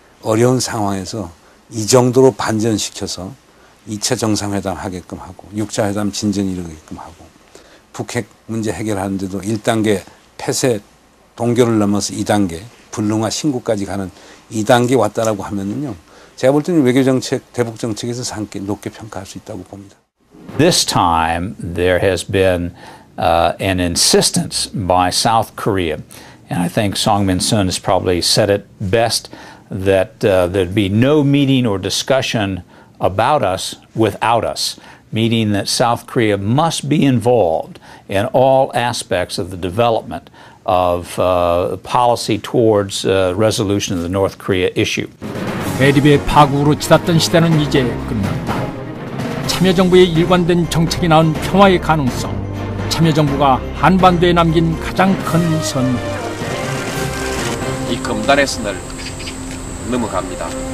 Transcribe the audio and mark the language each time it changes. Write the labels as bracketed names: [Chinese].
[Korean] 어려운 상황에서 이 정도로 반전시켜서 2차 정상회담 하게끔 하고 6차 회담 진전 이루게끔 하고 북핵 문제 해결하는데도 1단계 폐쇄 동결을 넘어서 2단계 불능화 신고까지 가는 2단계 왔다라고 하면은요. 제가 볼 때는 외교정책, 대북정책에서 상당히 높게 평가할 수 있다고 봅니다. [English] This time, there has been an insistence by South Korea, and I think Song Min-sun has probably said it best, that there'd be no meeting or discussion about us without us, meaning that South Korea must be involved in all aspects of the development of policy towards resolution of the North Korea issue. [Korean] 대립의 파국으로 치닫던 시대는 이제 끝났다. 참여정부의 일관된 정책이 낳은 평화의 가능성, 참여정부가 한반도에 남긴 가장 큰 선. 이 금단의 선을 넘어갑니다.